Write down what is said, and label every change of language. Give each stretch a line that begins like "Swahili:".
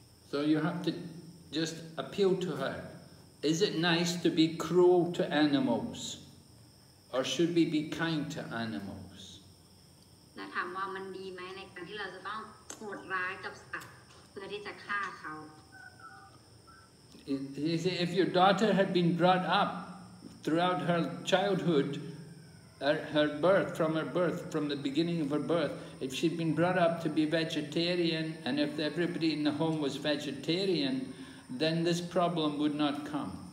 English: So you have to just appeal to her. Is it nice to be cruel to animals, or should we be kind to animals?
Thai: แล้วถามว่ามันดีไหมในการที่เราจะต้องโหดร้ายกับสัตว์เพื่อที่จะฆ่าเขา
English: You see, if your daughter had been brought up throughout her childhood, her birth, from her birth, from the beginning of her birth, if she'd been brought up to be vegetarian, and if everybody in the home was vegetarian, then this problem would not come.